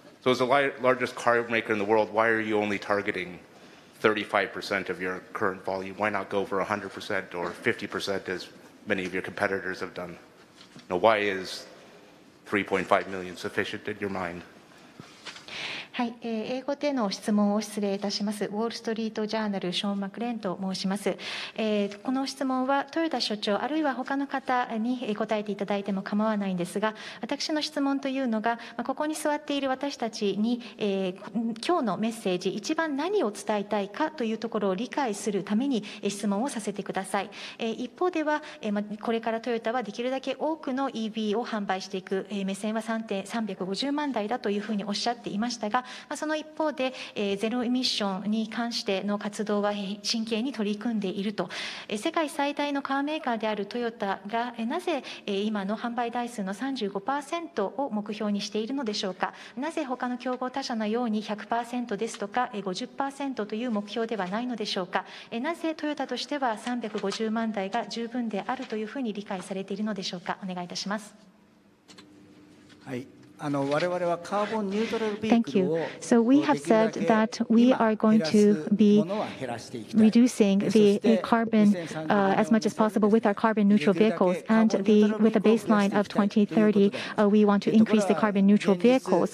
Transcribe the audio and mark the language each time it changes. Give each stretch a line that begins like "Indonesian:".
English: So as the largest car maker in the world, why are you only targeting 35% of your current volume? Why not go for 100% or 50% as many of your competitors have done? Now, why is 3.5 million sufficient in your mind?
Japanese: はい、英語での質問を失礼いたします。ウォールストリートジャーナル、ショーン・マクレーンと申します。この質問は豊田所長あるいは他の方に答えていただいても構わないんですが、私の質問というのが、ここに座っている私たちに、今日のメッセージ一番何を伝えたいかというところを理解するために質問をさせてください。一方ではこれからトヨタはできるだけ多くの EV を販売していく、目線は350万台だというふうにおっしゃっていましたが、その一方でゼロエミッションに関しての活動は真剣に取り組んでいると。世界最大のカーメーカーであるトヨタがなぜ今の販売台数の 35% を目標にしているのでしょうか。なぜ他の競合他社のように 100% ですとか 50% という目標ではないのでしょうか。なぜトヨタとしては350万台が十分であるというふうに理解されているのでしょうか。お願いいたします。
English: はい、Thank you. So we have said that we are going to be reducing the carbon as much as possible with our carbon neutral vehicles, and the with a baseline of 2030, we want to increase the carbon neutral vehicles.